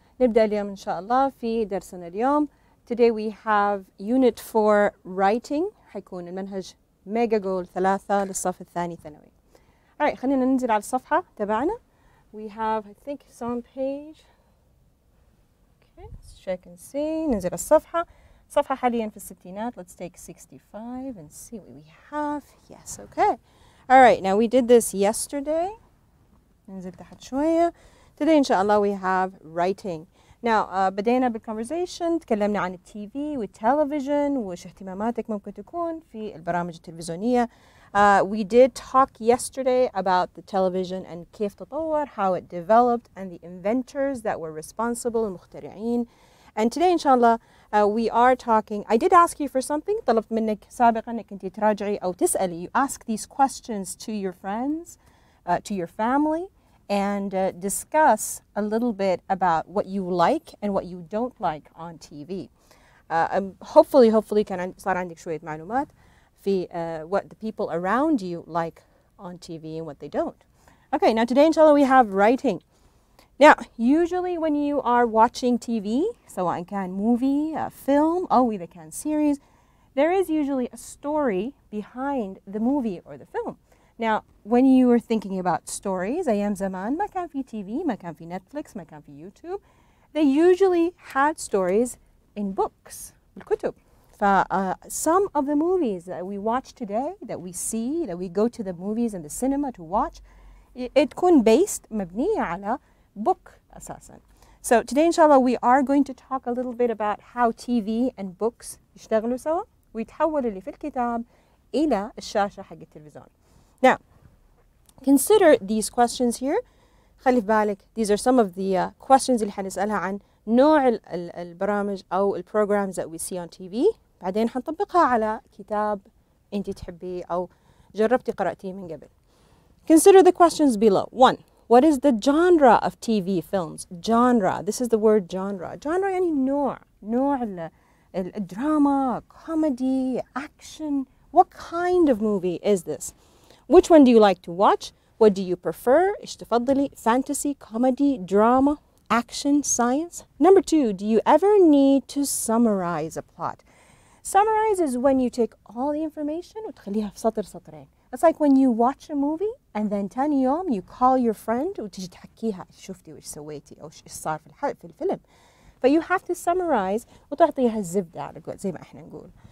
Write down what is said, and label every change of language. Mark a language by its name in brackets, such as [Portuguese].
[Arabic] نبدأ اليوم إن شاء الله في درسنا اليوم. [English] Today we have unit 4 writing. [Arabic] حيكون المنهج ميجا جول 3 للصف الثاني ثانوي. Alright, خلينا ننزل على الصفحة تبعنا. [English] We have, I think it's on page. Okay, let's check and see. ننزل الصفحة. [Arabic] صفحة حاليا في الستينات. [English] Let's take 65 and see what we have. Yes, okay. Alright, now we did this yesterday. [Arabic] ننزل تحت شوية. [English] Today, inshallah, we have writing. Now, بدينا بالconversation. [Arabic] تكلمنا عن TV والtelevision وش اهتماماتك ممكن تكون في البرامج التلفزيونية. [English] We did talk yesterday about the television and [Arabic] كيف تطور, [English] how it developed, and the inventors that were responsible, المخترعين. And today, inshallah, we are talking. I did ask you for something. [Arabic] طلبت منك سابقا انك انت تراجعي او تسألي. [English] You ask these questions to your friends, to your family. And discuss a little bit about what you like and what you don't like on TV. Hopefully, [Arabic] كان صار عندك شوية معلومات في [English] what the people around you like on TV and what they don't. Okay, now today, inshallah, we have writing. Now, usually when you are watching TV, so I can movie, a film, oh, we can series, there is usually a story behind the movie or the film. Now, when you were thinking about stories, [Arabic] أيام زمان ما كان في TV, ما كان في Netflix, ما كان في YouTube, [English] they usually had stories in books, الكتب. Some of the movies that we watch today, that we see, that we go to the movies and the cinema to watch, it كون based, مبنية على book أساساً. So today, inshallah, we are going to talk a little bit about how TV and books [Arabic] يشتغلوا سوا. ويتحول اللي في الكتاب إلى الشاشة حق التلفزيون. [English] Now, consider these questions here. [Arabic] خلي في بالك, [English] these are some of the questions [Arabic] اللي حنسألها عن نوع البرامج أو [English] programs that we see on TV. [Arabic] بعدين حنطبقها على كتاب أنت تحبي أو جربتي قرأتي من قبل. [English] Consider the questions below. One, what is the genre of TV films? Genre, this is the word genre. [Arabic] Genre يعني نوع. نوع الدراما, comedy, action. [English] What kind of movie is this? Which one do you like to watch? What do you prefer? [Arabic] إيش تفضلي? [English] Fantasy, comedy, drama, action, science. Number two, do you ever need to summarize a plot? Summarize is when you take all the information [Arabic] وتخليها في سطر سطرين. [English] It's like when you watch a movie and then [Arabic] تاني يوم [English] you call your friend [Arabic] وتجي تحكيها شفتي وإيش سويتي أو إيش صار في الحلقة في الفيلم. [English] But you have to summarize [Arabic] وتعطيها الزبدة على قول زي ما إحنا نقول.